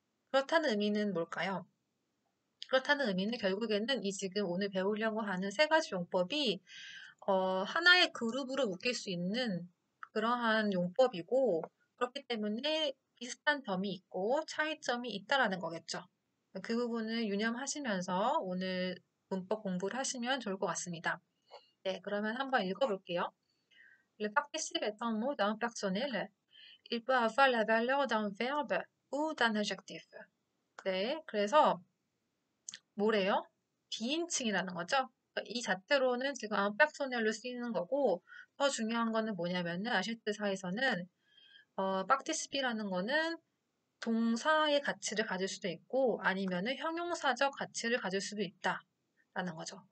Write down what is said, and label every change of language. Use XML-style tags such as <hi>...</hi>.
<ko>그렇다는 의미는 뭘까요? 그렇다는 의미는 결국에는 이 지금 오늘 배우려고 하는 세 가지 용법이 하나의 그룹으로 묶일 수 있는 그러한 용법이고 그렇기 때문에 비슷한 점이 있고 차이점이 있다라는 거겠죠. 그 부분을 유념하시면서 오늘 문법 공부를 하시면 좋을 것 같습니다. 네, 그러면 한번 읽어볼게요.</ko> <fr>Le participe est un mot d'un personnel. Il peut avoir la valeur d'un verbe ou d'un adjectif.</fr> <ko>네, 그래서 뭐래요? 비인칭이라는 거죠. 이 자체로는 지금 빡티시넬로 쓰이는 거고, 더 중요한 거는 뭐냐면은, 아시트사에서는, 빡티시피라는 거는 동사의 가치를 가질 수도 있고, 아니면은 형용사적 가치를 가질 수도 있다. 라는 거죠.</ko>